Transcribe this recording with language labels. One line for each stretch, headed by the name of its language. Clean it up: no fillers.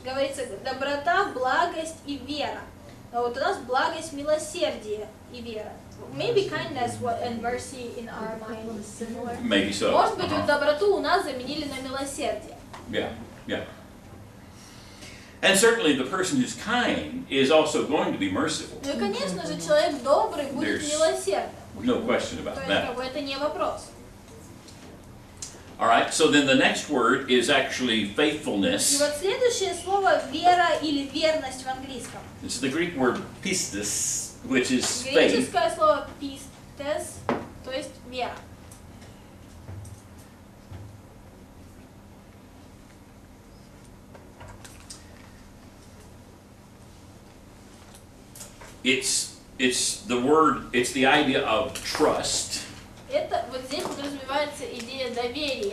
Russian: Говорится доброта, благость и вера. Но вот у нас благость, милосердие и вера.
English: Maybe kindness and mercy in our minds similar. Maybe so.
Russian: Может быть, вот доброту у нас заменили на милосердие.
English: Yeah, yeah. And certainly the person who's kind is also going to be merciful.
Russian: Ну, конечно же, человек добрый будет милосердным.
English: No question about that.
Russian: То есть, это не вопрос.
English: All right, so then the next word is actually faithfulness.
Russian: И вот следующее слово вера или верность в английском.
English: It's the Greek word pistis. Which is faith.
Russian: Греческое слово pistes, то есть вера.
English: It's the word, it's the idea of trust.
Russian: Это вот здесь подразумевается идея доверия.